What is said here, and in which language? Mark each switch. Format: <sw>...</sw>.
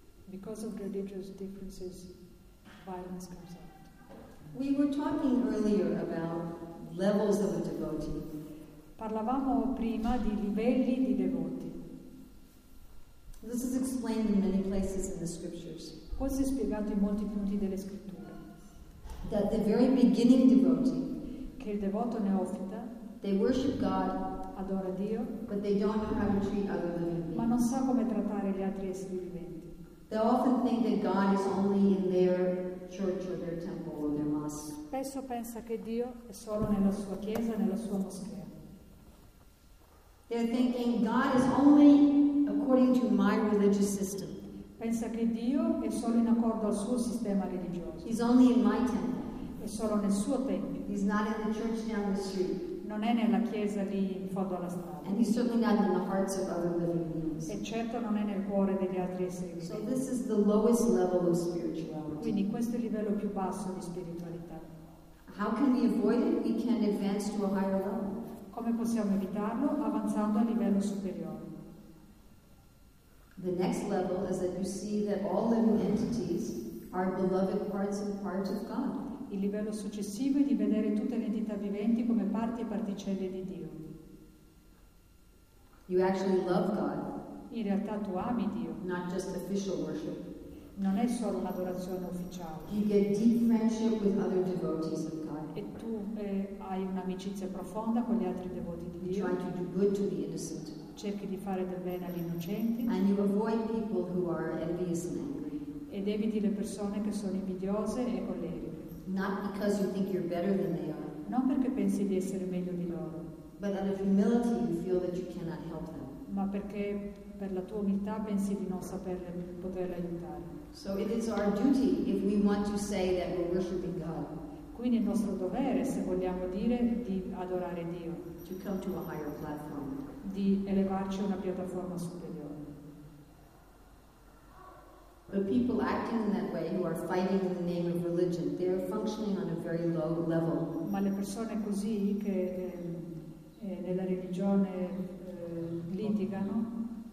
<en>Because of religious differences, violence comes up. We were talking earlier about levels of a devotee.</en> <it>Parlavamo prima di livelli di devoti.</it> <en>This is explained in many places in the scriptures.</en> <it>Questo è spiegato in molti punti delle scritture.</it> <en>That the very beginning devotee,</en> <it>che il devoto neofita,</it> <en>they worship God</en> <it>adora Dio,</it> <en>but they don't know how to treat other living beings.</en> <it>Ma non sa come trattare gli altri esseri viventi.</it> <en>They often think that God is only in their church or their temple or their mosque.</en> <it>Spesso pensa che Dio è solo nella sua chiesa, nella sua moschea.</it> <en>They're thinking God is only according to my religious system.</en> <it>Pensa che Dio è solo in accordo al suo sistema religioso.</it> <en>He's only in my temple.</en> <it>È solo nel suo tempio.</it> <en>He's not in the church down the street.</en> <it>Non è nella chiesa lì in fondo alla strada.</it> <en>And he's certainly not in the hearts of other living beings.</en> <it>E certo non è nel cuore degli altri esseri viventi.</it> <en>So this is the lowest level of spirituality.</en> <it>Quindi questo è il livello più basso di spiritualità.</it> <en>How can we avoid it? We can advance to a higher level.</en> <it>Come possiamo evitarlo? Avanzando a livello superiore.</it> <en>The next level is that you see that all living entities are beloved parts and parts of God.</en> <it>Il livello successivo è di vedere tutte le entità viventi come parti e particelle di Dio.</it> <en>You actually love God.</en> <it>In realtà tu ami Dio.</it> <en>Not just official worship.</en> <it>Non è solo un'adorazione ufficiale.</it> <en>You get deep friendship with other devotees of God.</en> <it>E tu hai un'amicizia profonda con gli altri devoti di Dio.</it> <en>You try to do good to the innocent.</en> <it>Cerchi di fare del bene agli innocenti.</it> <en>And you avoid people who are envious and angry.</en> <it>Ed eviti le persone che sono invidiose e colleriche.</it> <en>Not because you think you're better than they are.</en> <it>Non perché pensi di essere meglio di loro.</it> <en>But out of humility you feel that you cannot help them.</en> <it>Ma perché per la tua umiltà pensi di non saperle poterle aiutare.</it> <en>So it is our duty if we want to say that we're worshiping God.</en> <it>Quindi è il nostro dovere, se vogliamo dire, di adorare Dio.</it> <en>To come to a higher platform.</en> <it>Di elevarci a una piattaforma superiore.</it> <en>The people acting in that way who are fighting in the name of religion, they are functioning on a very low level.</en> <it>Ma le persone così che nella religione litigano.</it>